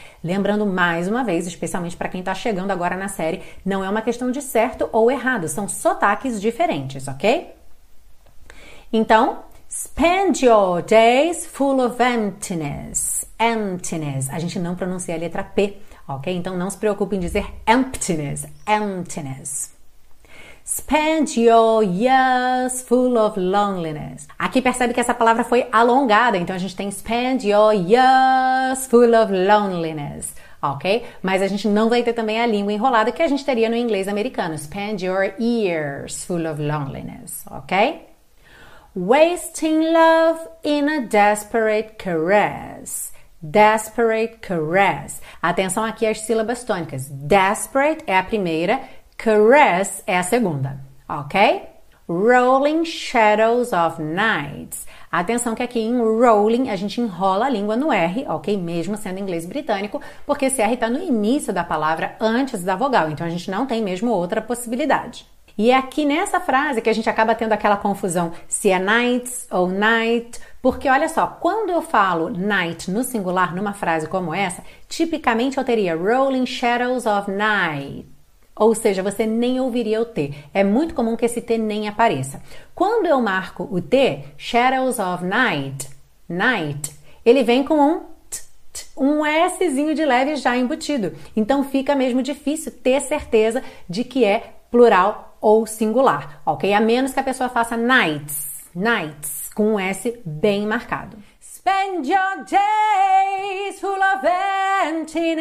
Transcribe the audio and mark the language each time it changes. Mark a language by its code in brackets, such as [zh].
[pt] Lembrando mais uma vez, especialmente para quem está chegando agora na série, não é uma questão de certo ou errado, são sotaques diferentes, ok? Então, [en] spend your days full of emptiness, emptiness, [pt] a gente não pronuncia a letra P. Ok? Então não se preocupe em dizer [en] emptiness, emptiness. Spend your years full of loneliness. [pt] Aqui percebe que essa palavra foi alongada, então a gente tem [en] spend your years full of loneliness. [pt] Ok? Mas a gente não vai ter também a língua enrolada que a gente teria no inglês americano. [en] Spend your years full of loneliness. Ok? Wasting love in a desperate caress. Desperate caress. [pt] Atenção aqui às sílabas tônicas. Desperate é a primeira, caress é a segunda, ok? [en] Rolling shadows of nights. [pt] Atenção que aqui em rolling a gente enrola a língua no R, ok? Mesmo sendo inglês britânico, porque esse R está no início da palavra antes da vogal, então a gente não tem mesmo outra possibilidade. E é aqui nessa frase que a gente acaba tendo aquela confusão se é nights ou night, porque olha só, quando eu falo night no singular numa frase como essa, tipicamente eu teria [en] rolling shadows of night, [pt] ou seja, você nem ouviria o T, é muito comum que esse T nem apareça. Quando eu marco o T, [en] shadows of night, night, [pt] ele vem com um um Szinho de leve já embutido, então fica mesmo difícil ter certeza de que é plural ou singular, ok? A menos que a pessoa faça [en] nights, nights, [pt] com um S bem marcado. [en] Spend your days full of emptiness.